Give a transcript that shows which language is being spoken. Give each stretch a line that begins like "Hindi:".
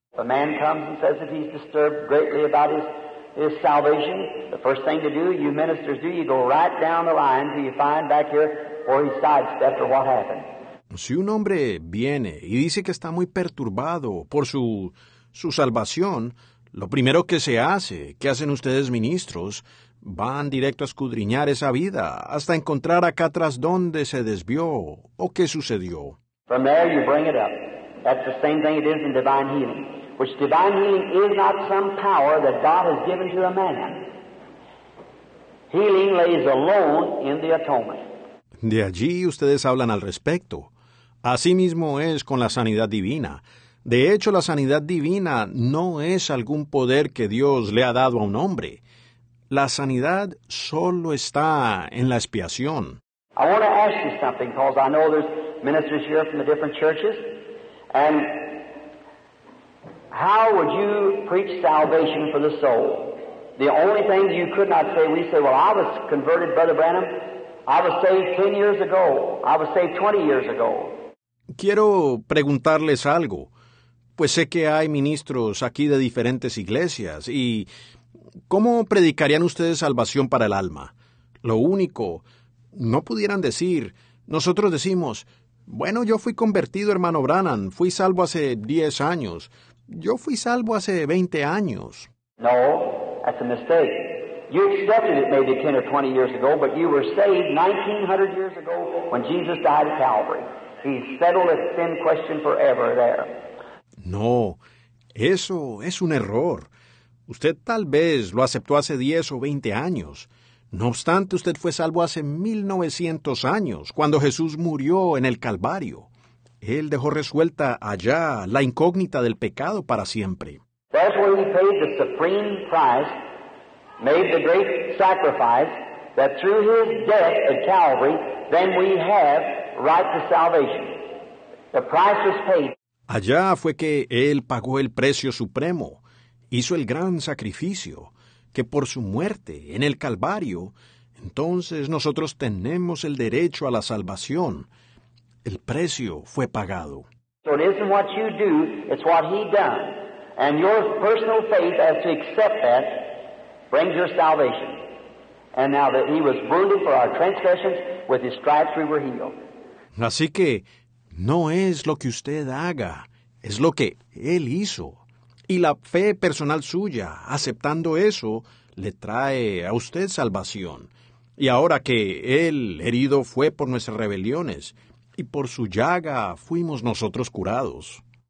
English: A man comes and says that he's disturbed greatly about his salvation, the first thing to do, you ministers do, you go right down the line till you find back here where he sidestepped or what happened.
Spanish: Si un hombre viene y dice que está muy perturbado por su salvación, lo primero que se hace, que hacen ustedes ministros, van directo a escudriñar esa vida hasta encontrar acá atrás dónde se desvió o qué sucedió.
English: From there you bring it up. That's the same thing it is in divine healing. Which divine healing is not some power that God has given to a man. Healing lays alone in the atonement.
Spanish: De allí ustedes hablan al respecto. Asimismo es con la sanidad divina. De hecho, la sanidad divina no es algún poder que Dios le ha dado a un hombre. La sanidad solo está en la expiación.
English: I want to ask you something, because I know there's ministers here from the different churches, and how would you preach salvation for the soul? The only thing you could not say, we say, well, I was converted, Brother Branham. I was saved 10 years ago. I was saved 20 years ago.
Spanish: Quiero preguntarles algo, pues sé que hay ministros aquí de diferentes iglesias, y ¿cómo predicarían ustedes salvación para el alma? Lo único, no pudieran decir, nosotros decimos, bueno, yo fui convertido, hermano Branham, fui salvo hace 10 años, yo fui salvo hace 20 años.
English: No, that's a mistake. You accepted it maybe 10 or 20 years ago, but you were saved 1900 years ago when Jesus died at Calvary. He settled a sin question forever there.
Spanish: No, eso es un error. Usted tal vez lo aceptó hace 10 o 20 años. No obstante, usted fue salvo hace 1900 años, cuando Jesús murió en el Calvario. Él dejó resuelta allá la incógnita del pecado para siempre.
English: That's where he paid the supreme price, made the great sacrifice, that through his death at Calvary, then we have right to salvation. The price was paid.
Spanish: Allá fue que Él pagó el precio supremo, hizo el gran sacrificio, que por su muerte en el Calvario, entonces nosotros tenemos el derecho a la salvación. El precio fue pagado.
English: So it isn't what you do, it's what he done. And your personal faith as to accept that brings your salvation. And now that he was wounded for our transgressions, with his stripes we were healed.
Spanish: Así que, no es lo que usted haga, es lo que Él hizo. Y la fe personal suya, aceptando eso, le trae a usted salvación. Y ahora que Él herido fue por nuestras rebeliones, y por su llaga fuimos nosotros curados.